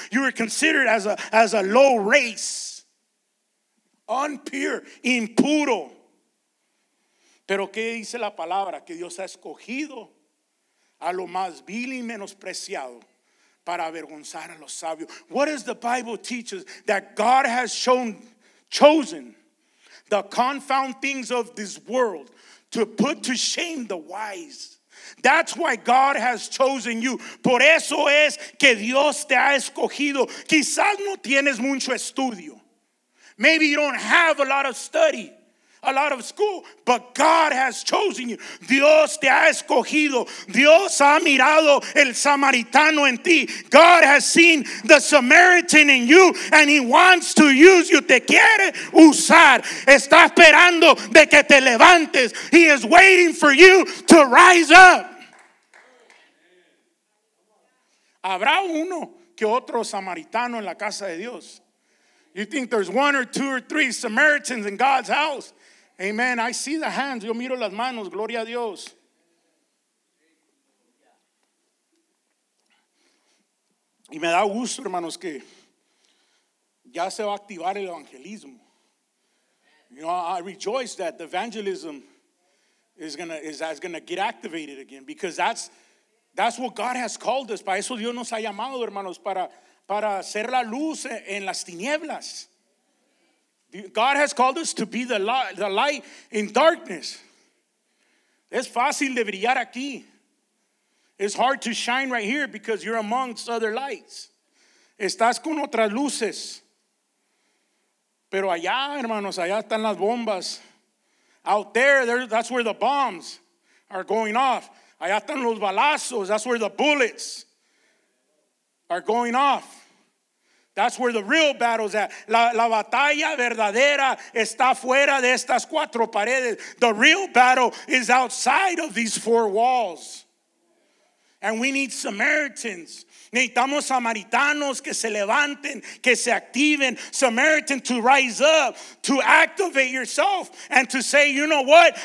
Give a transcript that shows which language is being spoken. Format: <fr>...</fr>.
<en>You were considered as a low race. Unpure, impuro.</en> <es>Pero ¿qué dice la palabra? Que Dios ha escogido a lo más vil y menospreciado para avergonzar a los sabios.</es> <en>What does the Bible teach us? That God has chosen the confound things of this world to put to shame the wise. That's why God has chosen you.</en> <es>Por eso es que Dios te ha escogido. Quizás no tienes mucho estudio.</es> <en>Maybe you don't have a lot of study. a lot of school, but God has chosen you.</en> <es>Dios te ha escogido. Dios ha mirado el samaritano en ti.</es> <en>God has seen the Samaritan in you, and he wants to use you.</en> <es>Te quiere usar. Está esperando de que te levantes.</es> <en>He is waiting for you to rise up.</en> <es>Habrá uno que otro samaritano en la casa de Dios.</es> <en>You think there's one or two or three Samaritans in God's house.</en> <es>Amen.</es> <en>I see the hands.</en> <es>Yo miro las manos. Gloria a Dios. Y me da gusto, hermanos, que ya se va a activar el evangelismo.</es> <en>You know, I rejoice that the evangelism is gonna get activated again, because that's what God has called us.</en> <es>Para eso Dios nos ha llamado, hermanos, para ser la luz en las tinieblas.</es> <en>God has called us to be the light in darkness.</en> <es>Es fácil de brillar aquí.</es> <en>It's hard to shine right here because you're amongst other lights.</en> <es>Estás con otras luces. Pero allá, hermanos, allá están las bombas.</es> <en>Out there, that's where the bombs are going off.</en> <es>Allá están los balazos.</es> <en>That's where the bullets are going off. That's where the real battle's at.</en> <es>La batalla verdadera está fuera de estas cuatro paredes.</es> <en>The real battle is outside of these four walls. And we need Samaritans.</en> <es>Necesitamos samaritanos que se levanten, que se activen.</es> <en>Samaritans to rise up, to activate yourself, and to say, you know what?</en>